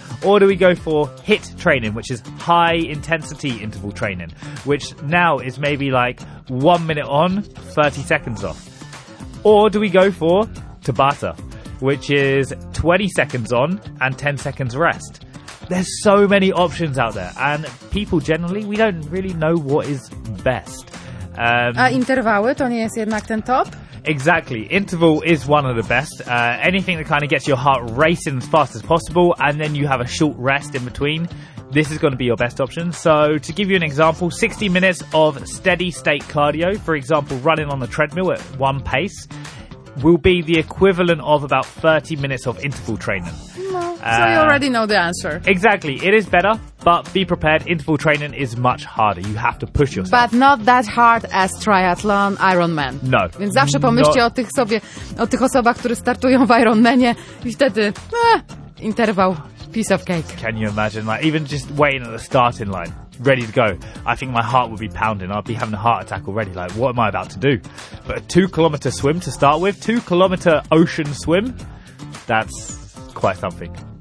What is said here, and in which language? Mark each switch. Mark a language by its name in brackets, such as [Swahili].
[English] Or do we go for HIIT training, which is high intensity interval training, which now is maybe like 1 minute on, 30 seconds off? Or do we go for Tabata, which is 20 seconds on and 10 seconds rest? There's so many options out there, and people generally, we don't really know what is best. [Polish] A interwały to nie jest jednak ten top? [English] Exactly. Interval is one of the best. Anything that kind of gets your heart racing as fast as possible, and then you have a short rest in between, this is going to be your best option. So to give you an example, 60 minutes of steady state cardio, for example, running on the treadmill at one pace, will be the equivalent of about 30 minutes of interval training. So you already know the answer. Exactly. It is better, but be prepared. Interval training is much harder. You have to push yourself. But not that hard as triathlon, Ironman. No. [Polish] Więc zawsze pomyślcie o tych osobach, które startują w Ironmanie i wtedy interwał, [English] piece of cake. Can you imagine? Like, even just waiting at the starting line, ready to go, I think my heart would be pounding. I'd be having a heart attack already. Like, what am I about to do? But a 2 kilometer swim to start with, 2 kilometer ocean swim, that's quite something.